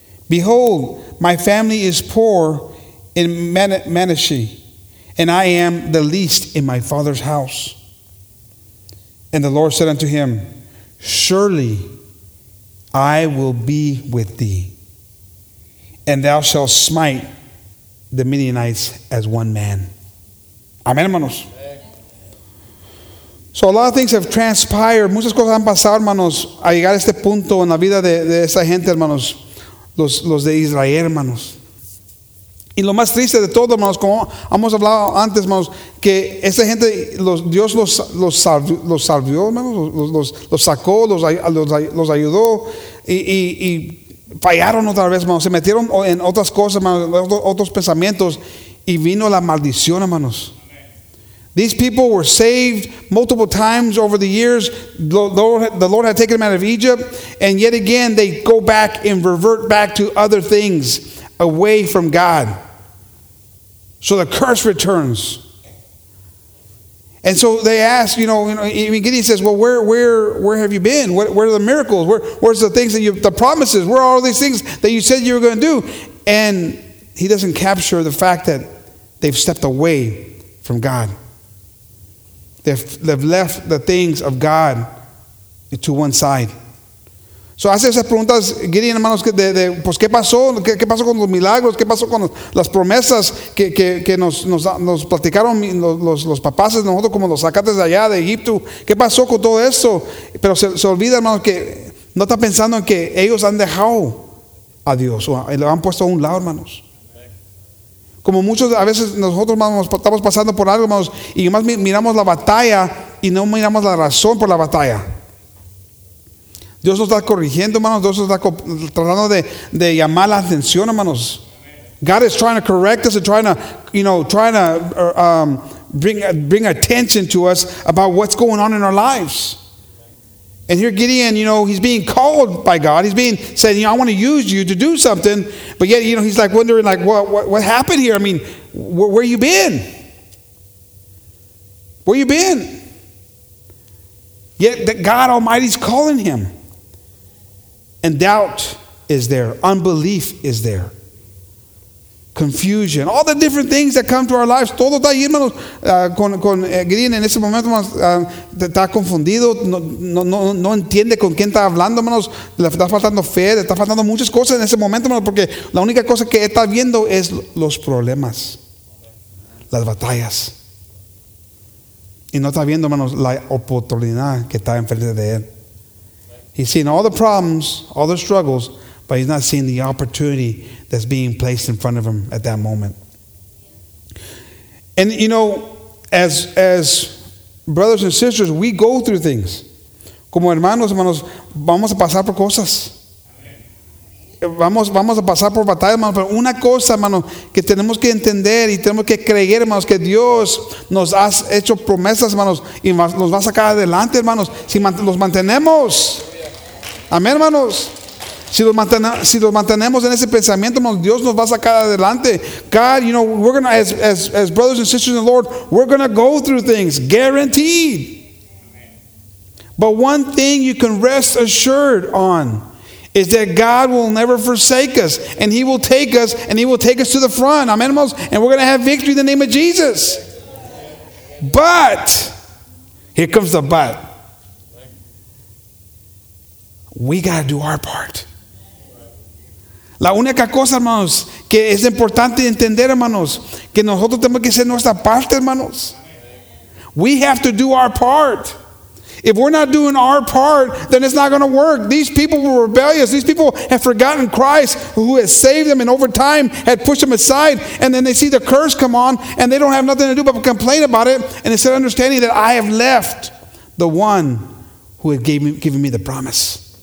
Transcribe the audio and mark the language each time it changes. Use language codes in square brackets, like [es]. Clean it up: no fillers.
[en] Behold, my family is poor in Manasseh, and I am the least in my father's house. And the Lord said unto him, Surely I will be with thee, and thou shalt smite the Midianites as one man. Amen, hermanos. So a lot of things have transpired. [es] Muchas cosas han pasado, hermanos, a llegar a este punto en la vida de esta gente, hermanos, los de Israel, hermanos. Y lo más triste de todo, hermanos, como hemos hablado antes, hermanos, que esta gente, Dios los salvió, hermanos, los sacó, los ayudó, y fallaron otra vez, hermanos. Se metieron en otras cosas, hermanos, otros pensamientos, y vino la maldición, hermanos. [en] These people were saved multiple times over the years. The Lord had taken them out of Egypt, and yet again, they go back and revert back to other things away from God. So the curse returns. And so they ask, you know, Gideon says, well, where have you been? Where are the miracles? Where's the things that you, the promises? Where are all these things that you said you were going to do? And he doesn't capture the fact that they've stepped away from God. They've left the things of God to one side. [es] So hace esas preguntas, Gideon, hermanos, pues, ¿qué pasó? ¿Qué pasó con los milagros? ¿Qué pasó con las promesas que nos platicaron los papás de nosotros, como los sacaste de allá, de Egipto? ¿Qué pasó con todo eso? Pero se olvida, hermanos, que no está pensando en que ellos han dejado a Dios, o lo han puesto a un lado, hermanos. Como muchos a veces nosotros estamos pasando por algo, hermanos, y más miramos la batalla y no miramos la razón por la batalla. Dios nos está corrigiendo, hermanos. Dios nos está tratando de llamar la atención, hermanos. [en] God is trying to correct us and trying to, you know, trying to bring attention to us about what's going on in our lives. And here Gideon, you know, he's being called by God. He's being said, you know, I want to use you to do something. But yet, you know, he's like wondering, like, what happened here? I mean, where you been? Where you been? Yet that God Almighty's calling him. And doubt is there. Unbelief is there. Confusion. All the different things that come to our lives. [es] Todo está ahí, hermanos. Con Gideon en ese momento, hermanos, está confundido. No entiende con quién está hablando, hermanos. Le está faltando fe. Le está faltando muchas cosas en ese momento, hermanos. Porque la única cosa que está viendo es los problemas. Las batallas. Y no está viendo, hermanos, la oportunidad que está enfrente de él. [en] He's seen all the problems, all the struggles, but he's not seeing the opportunity that's being placed in front of him at that moment. And you know, as brothers and sisters, we go through things. [es] Como hermanos, hermanos, vamos a pasar por cosas. Vamos a pasar por batallas, hermanos. Pero una cosa, hermanos, que tenemos que entender y tenemos que creer, hermanos, que Dios nos ha hecho promesas, hermanos, y nos va a sacar adelante, hermanos, si los mantenemos. Amén, hermanos. Si los mantenemos en ese pensamiento, hermanos, Dios nos va a sacar adelante. [en] God, you know, we're gonna as brothers and sisters in the Lord, we're gonna go through things, guaranteed. But one thing you can rest assured on is that God will never forsake us, and He will take us, and He will take us to the front. Amén, hermanos. And we're gonna have victory in the name of Jesus. But here comes the but. We got to do our part. [es] La única cosa, hermanos, que es importante entender, hermanos, que nosotros tenemos que hacer nuestra parte, hermanos. [en] We have to do our part. If we're not doing our part, then it's not going to work. These people were rebellious. These people have forgotten Christ, who has saved them and over time had pushed them aside. And then they see the curse come on, and they don't have nothing to do but complain about it. And instead of understanding that I have left the one who had given me the promise.